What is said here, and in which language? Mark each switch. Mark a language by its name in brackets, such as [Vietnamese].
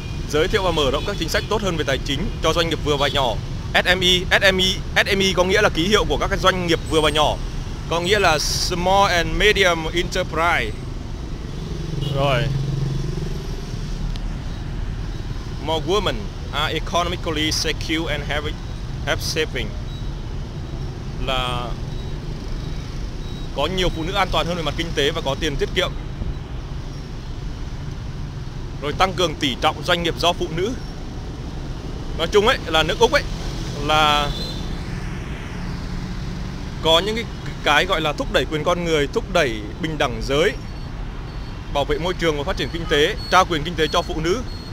[Vietnamese] Giới thiệu và mở rộng các chính sách tốt hơn về tài chính cho doanh nghiệp vừa và nhỏ. SME có nghĩa là ký hiệu của các doanh nghiệp vừa và nhỏ, có nghĩa là [English] Small and Medium Enterprise. [Vietnamese] Rồi. [English] More women are economically secure and have saving. [Vietnamese] Là có nhiều phụ nữ an toàn hơn về mặt kinh tế và có tiền tiết kiệm. Rồi tăng cường tỷ trọng doanh nghiệp do phụ nữ. Nói chung ấy là nước Úc ấy là có những cái gọi là thúc đẩy quyền con người, thúc đẩy bình đẳng giới, bảo vệ môi trường và phát triển kinh tế, trao quyền kinh tế cho phụ nữ.